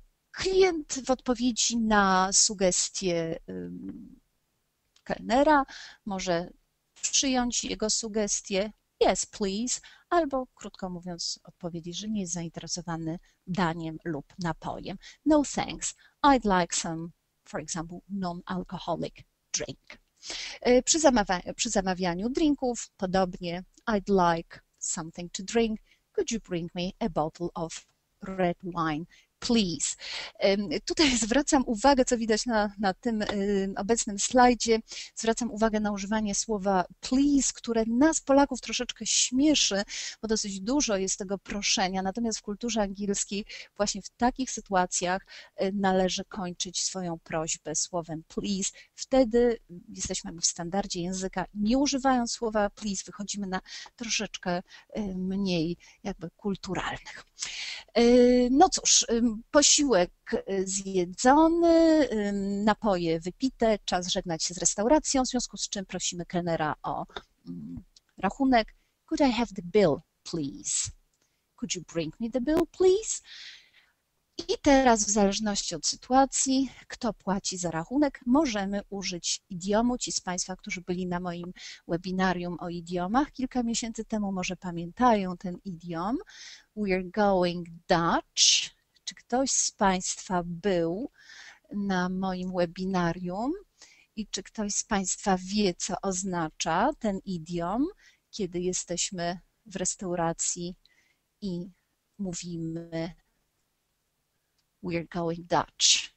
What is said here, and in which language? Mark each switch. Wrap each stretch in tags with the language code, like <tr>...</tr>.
<pl>Klient w odpowiedzi na sugestie kelnera może przyjąć jego sugestie, yes, please, albo krótko mówiąc odpowiedzi, że nie jest zainteresowany daniem lub napojem.</pl> <en>No thanks, I'd like some, for example, non-alcoholic drink.</en> <pl>Przy zamawianiu drinków podobnie,</pl> <en>I'd like something to drink, could you bring me a bottle of red wine, please.</en> <pl>Tutaj zwracam uwagę, co widać na tym obecnym slajdzie, zwracam uwagę na używanie słowa please, które nas Polaków troszeczkę śmieszy, bo dosyć dużo jest tego proszenia, natomiast w kulturze angielskiej właśnie w takich sytuacjach należy kończyć swoją prośbę słowem please. Wtedy jesteśmy w standardzie języka, nie używając słowa please, wychodzimy na troszeczkę mniej jakby kulturalnych. No cóż, posiłek zjedzony, napoje wypite, czas żegnać się z restauracją, w związku z czym prosimy kelnera o rachunek.</pl> <en>Could I have the bill, please? Could you bring me the bill, please?</en> <pl>I teraz w zależności od sytuacji, kto płaci za rachunek, możemy użyć idiomu. Ci z Państwa, którzy byli na moim webinarium o idiomach kilka miesięcy temu, może pamiętają ten idiom.</pl> <en>We're going Dutch.</en> <pl>Czy ktoś z Państwa był na moim webinarium i czy ktoś z Państwa wie, co oznacza ten idiom, kiedy jesteśmy w restauracji i mówimy We're going Dutch.</pl>